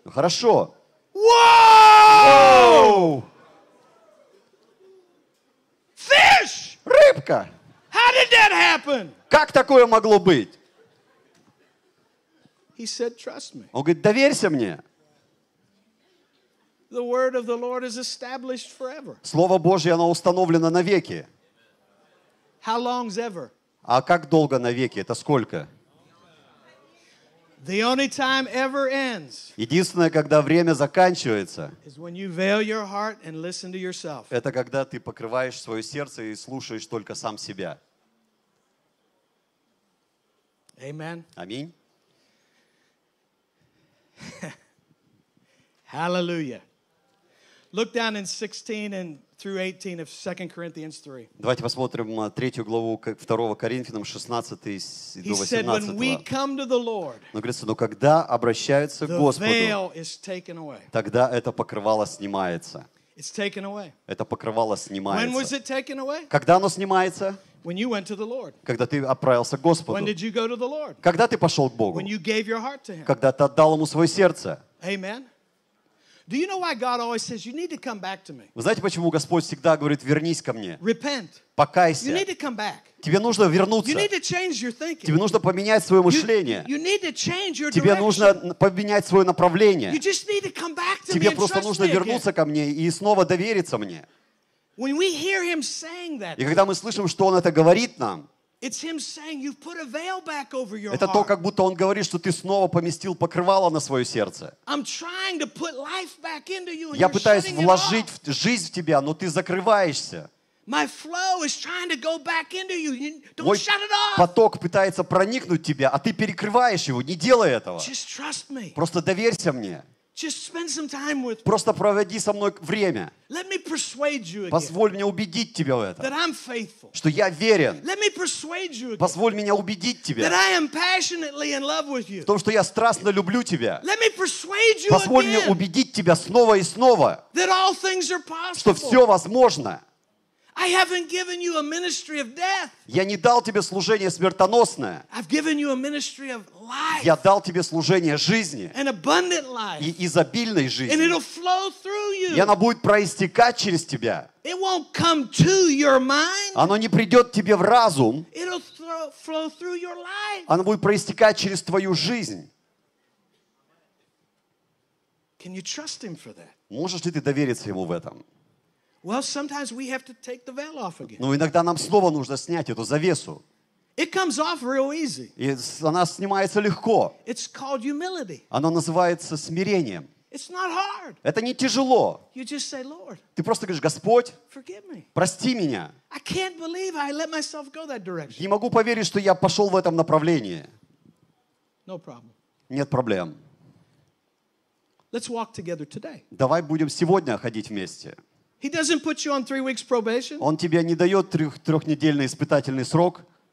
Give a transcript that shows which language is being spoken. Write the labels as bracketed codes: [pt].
[ru] Хорошо. [en] Whoa! Fish! [ru] Рыбка! [en] How did that happen? [ru] Как такое могло быть? [en] He said, trust me. [ru] Он говорит, доверься мне. [en] The word of the Lord is established forever. [ru] Слово Божье, оно установлено навеки. [en] How long's ever? [ru] А как долго навеки? Это сколько? [en] The only time ever ends. [ru] Единственное, когда время заканчивается. [en] Is when you veil your heart and listen to yourself. [ru] Это когда ты покрываешь свое сердце и слушаешь только сам себя. [en] Amen. [ru] Аминь. [en] Hallelujah. Look down in 16 and through 18 of 2 Corinthians 3. [ru] Давайте посмотрим третью главу 2 Коринфянам 16 до 18. [en] He said, when we come to the Lord, [ru] но говорится, но когда обращаются к Господу, [en] veil is taken away. [ru] Тогда это покрывало снимается. [en] It's taken away. [ru] Это покрывало снимается. [en] When was it taken away? [ru] Когда оно снимается? [en] When you went to the Lord. [ru] Когда ты отправился к Господу. [en] When did you go to the Lord? [ru] Когда ты пошел к Богу. [en] When you gave your heart to Him. [ru] Когда ты отдал Ему свое сердце. [en] Amen. Do you know why God always says you need to come back to me? [ru] Вы знаете, почему Господь всегда говорит, вернись ко мне? [en] Repent. [ru] Покайся. [en] You need to come back. [ru] Тебе нужно вернуться. [en] You need to change your thinking. [ru] Тебе нужно поменять свое мышление. [en] You need to change your [ru] direction. Тебе нужно поменять свое направление. [en] You just need to come back to me. [ru] Тебе просто нужно вернуться ко мне и снова довериться мне. [en] When we hear Him saying that. [ru] И когда мы слышим, что Он это говорит нам. [en] It's Him saying you've put a veil back over your heart. [ru] Это то, как будто Он говорит, что ты снова поместил покрывало на свое сердце. [en] I'm trying to put life back into you, [ru] Я пытаюсь вложить жизнь в тебя, но ты закрываешься. [en] My flow is trying to go back into you. Don't shut it off. [ru] Поток пытается проникнуть в тебя, а ты перекрываешь его. Не делай этого. [en] Just trust me. [ru] Просто доверься мне. [en] Just spend some time with me. [ru] Просто проводи со мной время. [en] Let me persuade you again. [ru] Позволь мне убедить тебя в этом. [en] That I'm faithful. [ru] Что я верен. [en] Let me persuade you again. [ru] Позволь меня убедить тебя. [en] That I am passionately in love with you. [ru] В том, что я страстно люблю тебя. [en] Let me persuade you [ru] Позволь [en] again. [ru] Мне убедить тебя снова и снова. [en] That all things are possible. [ru] Что все возможно. [en] I haven't given you a ministry of death. [ru] Я не дал тебе служение смертоносное. [en] I've given you a ministry of life. [ru] Я дал тебе служение жизни. [en] An abundant life. [ru] И изобильной жизни. [en] And it'll flow through you. [ru] И она будет проистекать через тебя. [en] It won't come to your mind. [ru] Оно не придет тебе в разум. [en] It'll flow through your life. [ru] Оно будет проистекать через твою жизнь. [en] Can you trust him for that? [ru] Можешь ли ты довериться ему в этом? [en] Well, sometimes we have to take the veil off again. [ru] Но иногда нам снова нужно снять эту завесу. [en] It comes off real easy. [ru] И она снимается легко. [en] It's called humility. [ru] Оно называется смирением. [en] It's not hard. [ru] Это не тяжело. [en] You just say, Lord. [ru] Ты просто говоришь, Господь, [en] forgive me. [ru] Прости меня. [en] I can't believe I let myself go that direction. [ru] Не могу поверить, что я пошел в этом направлении. [en] No problem. [ru] Нет проблем. [en] Let's walk together today. [ru] Давай будем сегодня ходить вместе. [en] He doesn't put you on 3 weeks probation. [ru] Он тебе не дает трехнедельный испытательный срок.